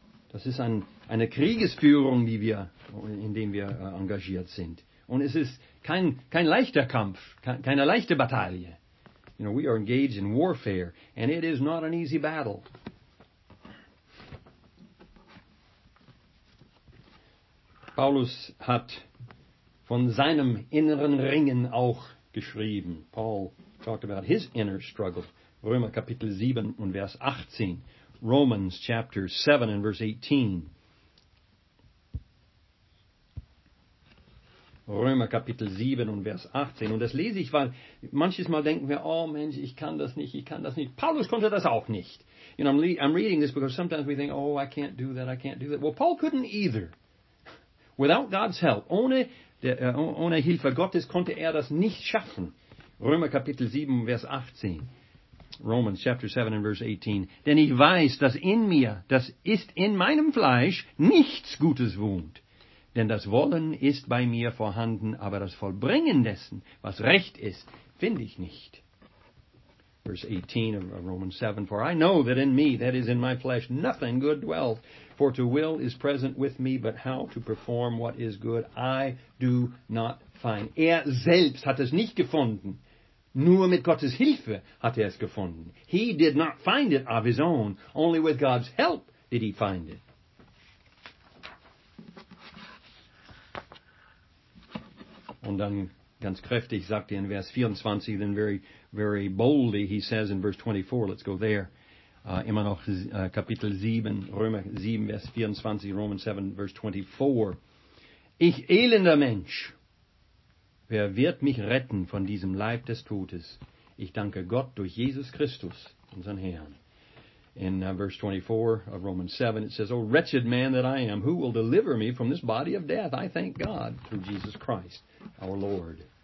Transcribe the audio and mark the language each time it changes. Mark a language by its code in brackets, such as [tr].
[de] Das ist eine Kriegesführung, in der wir engagiert sind. Und es ist kein leichter Kampf, keine leichte Bataille. [en] You know, we are engaged in warfare, and it is not an easy battle. [de] Paulus hat von seinem inneren Ringen auch geschrieben. [en] Paul talked about his inner struggle. [de] Römer Kapitel 7 und Vers 18. [en] Romans chapter 7 and verse 18. [de] Römer Kapitel 7 und Vers 18. Und das lese ich, weil manches Mal denken wir, oh Mensch, ich kann das nicht. Paulus konnte das auch nicht. [en] You know, I'm reading this because sometimes we think, oh, I can't do that. Well, Paul couldn't either. Without God's help, [de] ohne Hilfe Gottes konnte er das nicht schaffen. Römer Kapitel 7, Vers 18. [en] Romans chapter 7 and verse 18. [de] Denn ich weiß, dass in mir, das ist in meinem Fleisch, nichts Gutes wohnt. Denn das Wollen ist bei mir vorhanden, aber das Vollbringen dessen, was recht ist, finde ich nicht. [en] Verse 18 of Romans 7. For I know that in me, that is in my flesh, nothing good dwells. For to will is present with me, but how to perform what is good, I do not find. [de] Er selbst hat es nicht gefunden. Nur mit Gottes Hilfe hat er es gefunden. [en] He did not find it of his own. Only with God's help did he find it. [de] Und dann ganz kräftig sagt er in Vers 24, [en] then very, very boldly he says in verse 24, let's go there, [de] immer noch Kapitel 7, Römer 7, Vers 24, [en] Romans 7, verse 24. [de] Ich elender Mensch, wer wird mich retten von diesem Leib des Todes? Ich danke Gott durch Jesus Christus, unseren Herrn. [en] In verse 24 of Romans 7, it says, O wretched man that I am, who will deliver me from this body of death? I thank God through Jesus Christ, our Lord.